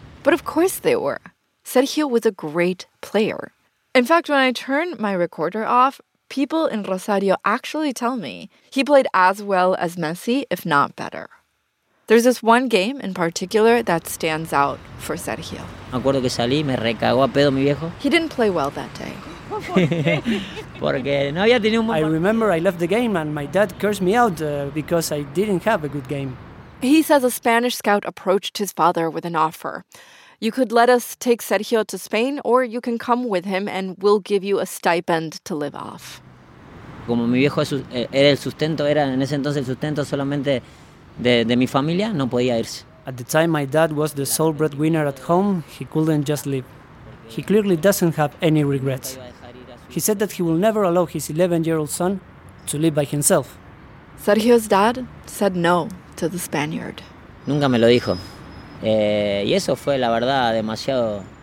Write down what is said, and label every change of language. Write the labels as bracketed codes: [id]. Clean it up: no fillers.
[en] But of course they were. Sergio was a great player. In fact, when I turn my recorder off, people in Rosario actually tell me he played as well as Messi, if not better. There's this one game in particular that stands out for Sergio. [es] Me acuerdo que salí, me recagó a pedo mi viejo. [en] He didn't play well that day. [es] Porque no había tenido un... [en] I remember I left the game and my dad cursed me out because I didn't have a good game. He says a Spanish scout approached his father with an offer. You could let us take Sergio to Spain, or you can come with him and we'll give you a stipend to live off. [es] Como mi viejo era el sustento, era en ese entonces el sustento solamente de mi familia, no podía irse. [en] At the time, my dad was the sole breadwinner at home. He couldn't just leave. He clearly doesn't have any regrets. He said that he will never allow his 11-year-old son to live by himself. Sergio's dad said no to the Spaniard. [es] Nunca me lo dijo. Y eso fue, la verdad, demasiado...